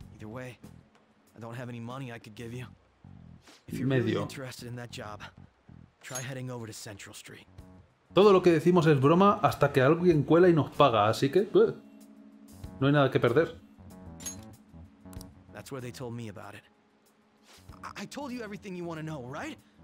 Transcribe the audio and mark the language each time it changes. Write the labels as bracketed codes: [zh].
[en] Either way, I don't have any money I could give you. If you're really interested in that job, try heading over to Central Street. [es] Todo lo que decimos es broma hasta que alguien cuela y nos paga, así que no hay nada que perder. [en] That's where they told me about it. I told you everything you want to know, right?